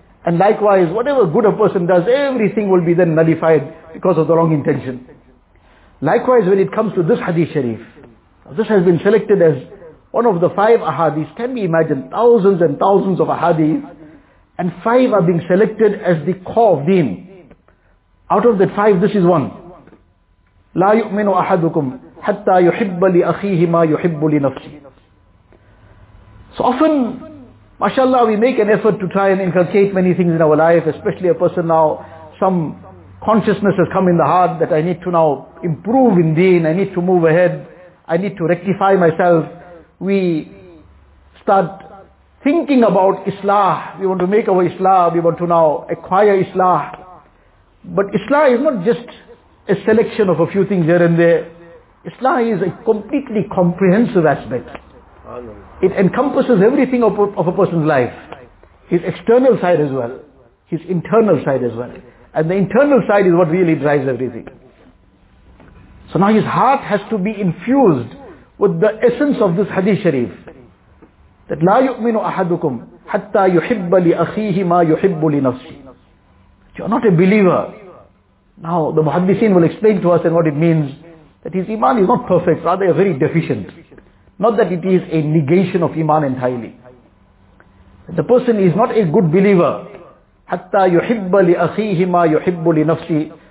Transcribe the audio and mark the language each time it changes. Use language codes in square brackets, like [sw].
[en] And likewise, whatever good a person does, everything will be then nullified because of the wrong intention. Likewise, when it comes to this hadith sharif, this has been selected as one of the five ahadiths. Can we imagine thousands and thousands of ahadith, and five are being selected as the core of deen. Out of that five, this is one. [ar] لا يؤمن أحدكم حتى يحب لأخيه ما يحب لنفسه. [en] So often, mashallah, we make an effort to try and inculcate many things in our life, especially a person now, some consciousness has come in the heart that I need to now improve in deen, I need to move ahead, I need to rectify myself. We start thinking about islah, we want to make our islah, we want to now acquire islah. But islah is not just a selection of a few things here and there. Islah is a completely comprehensive aspect. It encompasses everything of a person's life. His external side as well. His internal side as well. And the internal side is what really drives everything. So now his heart has to be infused with the essence of this hadith sharif. That [ar] لا يؤمن أحدكم حتى يحب لأخيه ما يحب لنفسي. [en] You are not a believer. Now the muhaddithin will explain to us and what it means. That his iman is not perfect, rather very deficient. Not that it is a negation of iman entirely. The person is not a good believer. [ar] حتى يحب لأخيه ما يحب لنفسي.